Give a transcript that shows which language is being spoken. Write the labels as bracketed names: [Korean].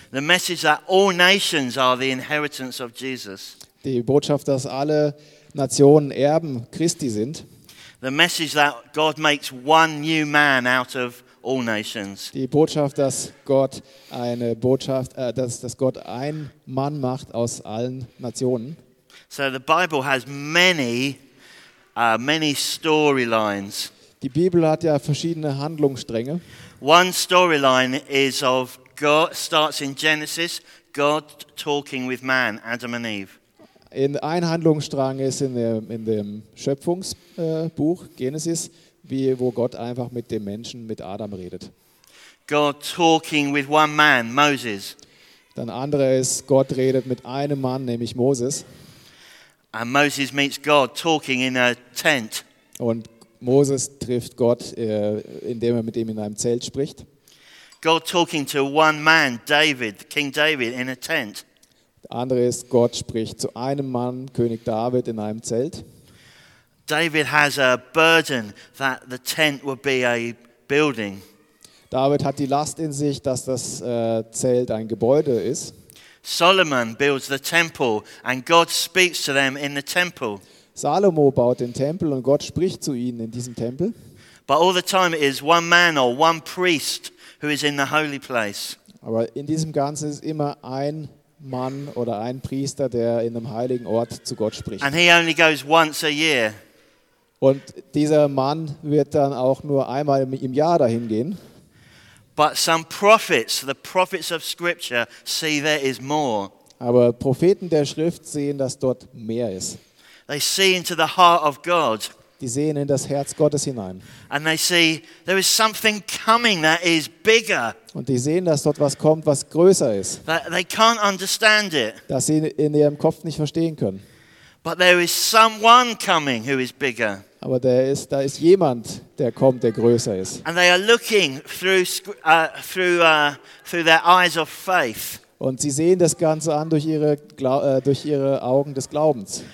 [English] The message that all nations are the inheritance of Jesus. [German] Die Botschaft, dass alle Nationen Erben Christi sind. [English] The message that God makes one new man out of all nations. [German] Die Botschaft, dass Gott eine Botschaft, dass Gott einen Mann macht aus allen Nationen. [English] So the Bible has many storylines. [German] Die Bibel hat ja verschiedene Handlungsstränge. [English] One storyline is of God starts in Genesis, God talking with man, Adam and Eve. [German] in einem Handlungsstrang ist in dem Schöpfungsbuch Genesis, wie, wo Gott einfach mit dem Menschen, mit Adam redet. [English] God talking with one man, Moses. [German] Dann andere ist, Gott redet mit einem Mann, nämlich Moses. [English] And Moses meets God talking in a tent. [German] Und Moses trifft Gott, indem er mit ihm in einem Zelt spricht. [English] God talking to one man, David, King David, in a tent. [German] Andere ist, Gott spricht zu einem Mann, König David, in einem Zelt. [English] David has a burden that the tent would be a building. [German] David hat die Last in sich, dass das Zelt ein Gebäude ist. [English] Solomon builds the temple and God speaks to them in the temple. [German] Salomo baut den Tempel und Gott spricht zu ihnen in diesem Tempel. [English] But all the time it is one man or one priest who is in the holy place. [German] Aber in diesem Ganzen ist immer ein Mann oder ein Priester, der in einem heiligen Ort zu Gott spricht. [English] And he only goes once a year. [German] Und dieser Mann wird dann auch nur einmal im Jahr dahin gehen. [English] But some prophets, the prophets of Scripture, see there is more. [German] Aber Propheten der Schrift sehen, dass dort mehr ist. [English] They see into the heart of God. [German] Die sehen in das Herz Gottes hinein. [English] And they see there is something coming that is bigger. [German] Und die sehen, dass dort was kommt, was größer ist. [English] That they can't understand it. [German] Dass sie in ihrem Kopf nicht verstehen können. [English] But there is someone coming who is bigger. [German] Aber da ist jemand, der kommt, der größer ist. [English] And they are looking through their eyes of faith. [German] Und sie sehen das Ganze an durch ihre Augen des Glaubens.